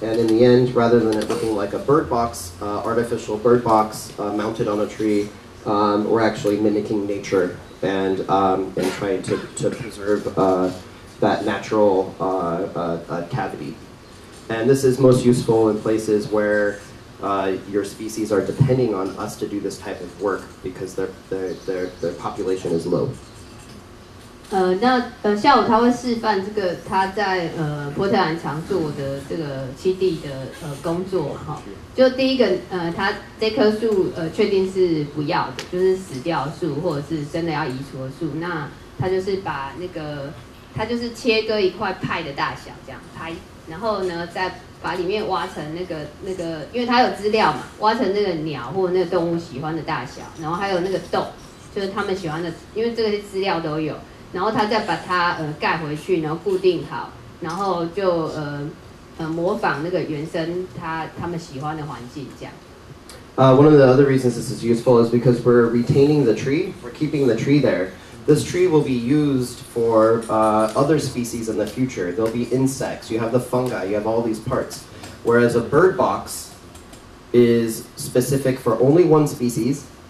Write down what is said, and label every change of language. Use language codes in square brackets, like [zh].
[en] And in the end, rather than it looking like a bird box, artificial bird box mounted on a tree, we're actually mimicking nature and trying to preserve that natural cavity. And this is most useful in places where your species are depending on us to do this type of work because their population is low. [zh] 那下午他会示范这个他在波特兰常住的这个栖地的工作哈。就第一个他这棵树确定是不要的，就是死掉树或者是真的要移除的树，那他就是把那个他就是切割一块派的大小这样拍，然后呢再把里面挖成那个，因为他有资料嘛，挖成那个鸟或那个动物喜欢的大小，然后还有那个洞，就是他们喜欢的，因为这些资料都有。然后他再把它盖回去，然后固定好，然后就模仿那个原生他们喜欢的环境这样。 [en] One of the other reasons this is useful is because we're retaining the tree, we're keeping the tree there. This tree will be used for other species in the future. There'll be insects, you have the fungi, you have all these parts. Whereas a bird box is specific for only one species.